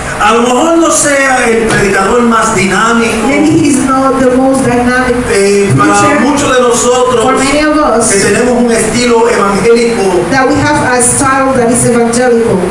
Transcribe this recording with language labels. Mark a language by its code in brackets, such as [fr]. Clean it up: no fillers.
[es] A lo mejor no sea el predicador más dinámico. [en] Maybe he's not the most dynamic. [es] Para muchos de nosotros, [en] for many of us, [es] que tenemos un estilo evangélico, [en] that we have a style that is evangelical,